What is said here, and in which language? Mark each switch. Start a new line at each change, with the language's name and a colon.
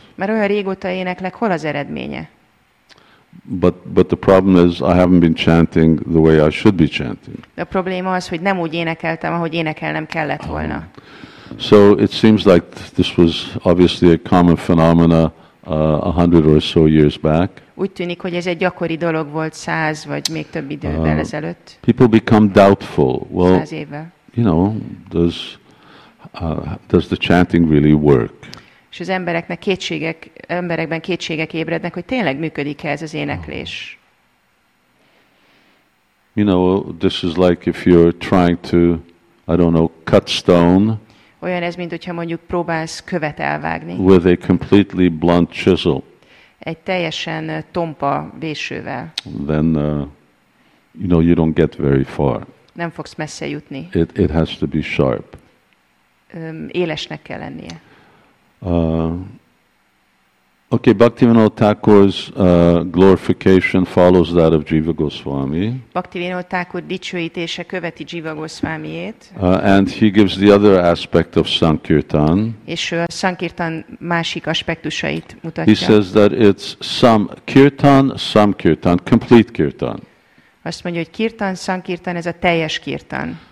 Hungarian: Mert olyan régóta éneklek, hol az eredménye?
English: But the problem is, I haven't been chanting the way I should be chanting.
Hungarian: A probléma az, hogy nem úgy énekeltem, ahogy énekelnem kellett volna.
English: So it seems like this was obviously a common phenomena 100 or so years back.
Hungarian: Úgy tűnik, hogy ez egy gyakori dolog volt 100 vagy még több idővel ezelőtt.
English: People become doubtful. Well,
Hungarian: 100 évvel.
English: You know, does the chanting really work?
Hungarian: És az embereknek kétségek ébrednek, hogy tényleg működik-e ez az éneklés.
English: You know, this is like if you're trying to, I don't know, cut stone.
Hungarian: Olyan ez, mint hogyha mondjuk próbálsz követ elvágni.
English: With a completely blunt chisel.
Hungarian: Egy teljesen tompa vésővel.
English: Then, you know, you don't get very far.
Hungarian: Nem fogsz messze jutni.
English: It has to be sharp.
Hungarian: Élesnek kell lennie.
English: Okay, Bhaktivinoda Thakur's glorification follows that of Jiva Goswami.
Hungarian: Bhaktivinoda Thakur dicsőítése követi Jiva Goswamiét.
English: And he gives the other aspect of sankirtan.
Hungarian: És a sankirtan másik aspektusait mutatja.
English: He says that it's sankirtan, complete kirtan.
Hungarian: Azt mondja, hogy kirtan, sankirtan, ez a teljes kirtan.